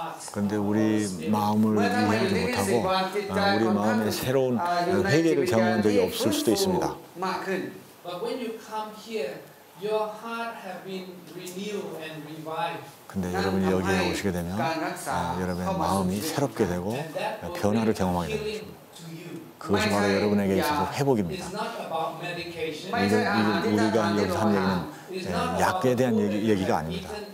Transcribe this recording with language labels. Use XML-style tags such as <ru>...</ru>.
<ko>그런데 우리 마음을 이해하지 못하고 우리 마음에 새로운 회개를 경험한 적이 없을 수도 있습니다.</ko> <en>But when you come here, your heart has been renewed and revived.</en> <ko>근데 여러분이 여기에 오시게 되면 여러분의 마음이 새롭게 되고 변화를 경험하게 되는 것입니다. 그것이 바로 여러분에게 있어서 회복입니다. 우리가 여기서 한 얘기는 약에 대한 얘기가 아닙니다.</ko>